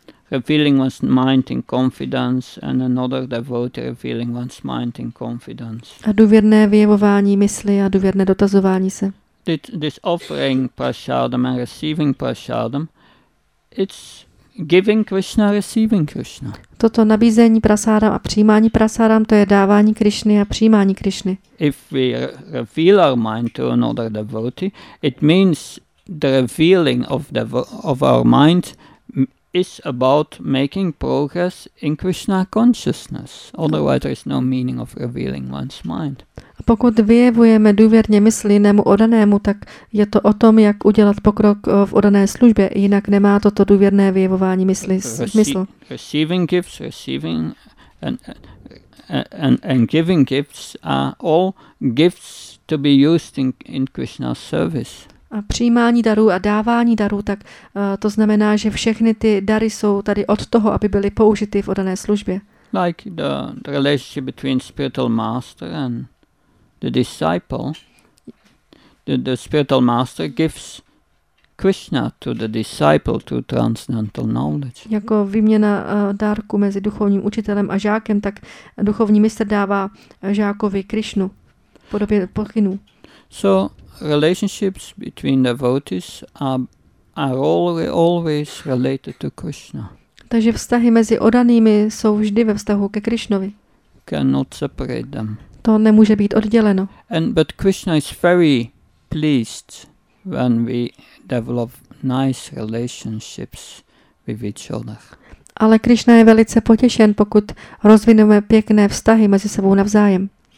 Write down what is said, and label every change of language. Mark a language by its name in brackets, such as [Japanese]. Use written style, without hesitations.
[English] Revealing one's mind in confidence and another devotee revealing one's mind in confidence. [Czech] A důvěrné vyjevování mysli a důvěrné dotazování se. [English] This offering prasadam and receiving prasadam, it's giving Krishna, receiving Krishna. [Czech] Toto nabízení prasadam a přijímání prasadam, to je dávání Krishny a přijímání Krishny. [English] If we reveal our mind to another devotee, it means the revealing of our mind is about making progress in Krishna consciousness. Otherwise, there is no meaning of revealing one's mind. [Czech] A pokud vyjevujeme důvěrně mysli jinému odanému, tak je to o tom, jak udělat pokrok v odané službě. Jinak nemá toto důvěrné vyjevování mysli smysl. [English] Receiving gifts, receiving and giving gifts are all gifts to be used in Krishna's service. [Czech] A přijímání darů a dávání darů, tak to znamená, že všechny ty dary jsou tady od toho, aby byly použity v odané službě. [English] Like the relationship between spiritual master and the disciple. The spiritual master gives Krishna to the disciple to transcendental knowledge. [Czech] Jako výměna dárku mezi duchovním učitelem a žákem, tak duchovní mistr dává žákovi Krishnu v podobě pokynů. [English] So relationships between devotees are always related to Krishna. [Czech] Takže vztahy mezi oddanými jsou vždy ve vztahu ke Krishnovi. [English] Cannot separate them. [Czech] To nemůže být odděleno. [English] But Krishna is very pleased when we develop nice relationships with each other. [Czech] Ale Krishna je velice potěšen, pokud rozvineme pěkné vztahy mezi sebou navzájem.